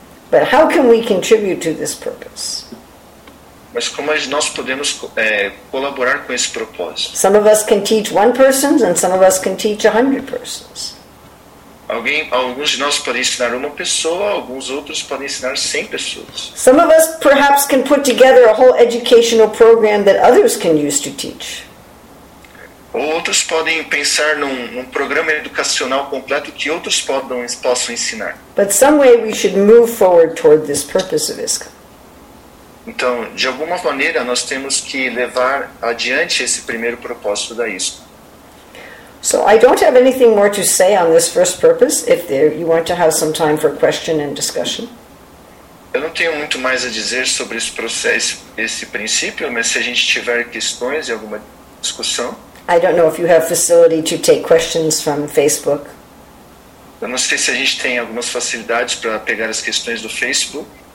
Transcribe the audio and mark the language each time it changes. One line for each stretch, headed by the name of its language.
English: But how can we contribute to this purpose?
Portuguese: Mas como nós podemos colaborar com esse propósito?
English: Some of us can teach one person and some of us can teach 100 persons.
Portuguese: Alguns de nós podem ensinar uma pessoa, alguns outros podem ensinar 100 pessoas.
English: Some of us perhaps can put together a whole educational program that others can use to teach.
Portuguese: Outros podem pensar num programa educacional completo que outros possam ensinar.
English: But some way we should move forward toward this purpose of ISKCON.
Portuguese: Então, de alguma maneira, nós temos que levar adiante esse primeiro propósito da ISKCON.
English: So I don't have anything more to say on this first purpose, if there you want to have some time for question and discussion.
Portuguese: Eu não tenho muito mais a dizer sobre esse processo, esse princípio, mas se a gente tiver questões e alguma discussão.
English: I don't know if you have facility to take questions from Facebook.
Portuguese: Eu não sei se a gente tem algumas facilidades para pegar as questões do Facebook.